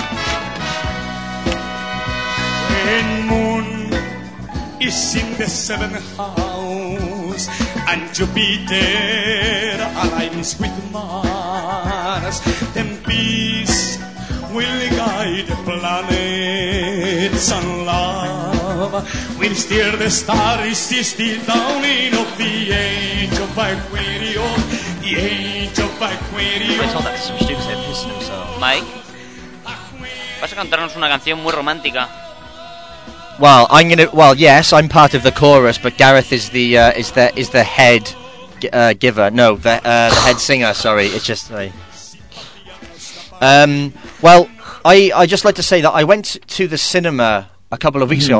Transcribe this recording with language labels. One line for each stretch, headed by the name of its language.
English: When moon is in the seventh house and Jupiter aligns with Mars, then peace will guide the planets and love will steer the stars is the dawning of the age of Aquarius, the age of Aquarius.
Spanish: Mike, vas a cantarnos una canción muy romántica.
English: Well, yes, I'm part of the chorus, but Gareth is the head giver. No, the head singer, sorry. It's just I just like to say that I went to the cinema a couple of weeks ago.